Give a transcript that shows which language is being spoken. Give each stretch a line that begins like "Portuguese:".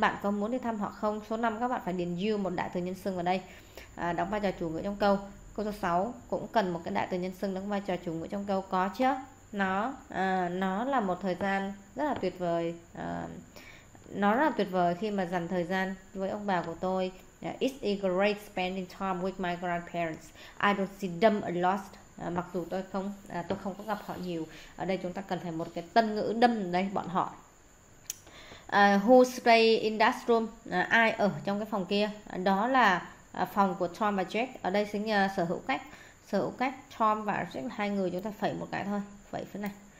Vietnamese: Bạn có muốn đi thăm họ không? Số 5 các bạn phải điền you, một đại từ nhân xưng vào đây, đóng vai trò chủ ngữ trong câu. Câu số 6 cũng cần một cái đại từ nhân xưng đóng vai trò chủ ngữ trong câu, có chứ? Nó là một thời gian rất là tuyệt vời. Nó rất là tuyệt vời khi mà dành thời gian với ông bà của tôi.
English: It's a great spending time with my grandparents. I don't see them a lot.
Vietnamese: Mặc dù tôi không có gặp họ nhiều. Ở đây chúng ta cần phải một cái tân ngữ đâm đây, bọn họ.
English: Who stay in that room?
Vietnamese: Ai ở trong cái phòng kia? Đó là phòng của Tom và Jack. Ở đây xin sở hữu cách Tom và Jack là hai người, chúng ta phẩy một cái thôi, phẩy phía này.